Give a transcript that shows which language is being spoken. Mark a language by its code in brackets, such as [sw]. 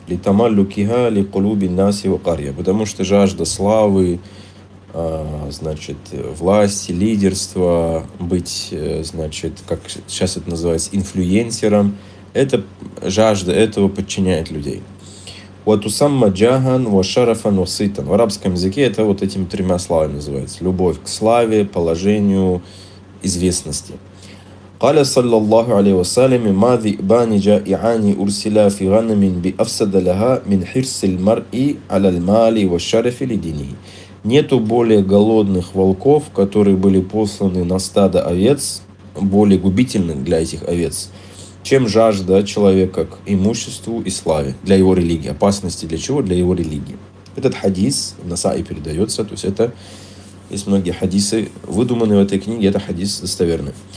[ru] Литамаллю киха ли кулуби наси ва карья. Потому что жажда славы, значит, власти, лидерства, быть, значит, как сейчас это называется, инфлюенсером – это жажда этого подчиняет людей. Ватусамма джаган ва шарафан ва сытан. В арабском языке это вот этими тремя словами называется. Любовь к славе, положению, известности. [ar] قال صلى الله عليه وسلم ما ذئبان جائعان أرسلا في غنم بأفسد لها من حرص المرء على المال والشرف لدينه. [ru] Нету более голодных волков, которые были посланы на стадо овец, более губительных для этих овец, чем жажда человека к имуществу и славе для его религии. Опасности для чего? Для его религии. Этот хадис в Насаи передается, то есть это есть многие хадисы, выдуманные в этой книге, это хадис достоверный.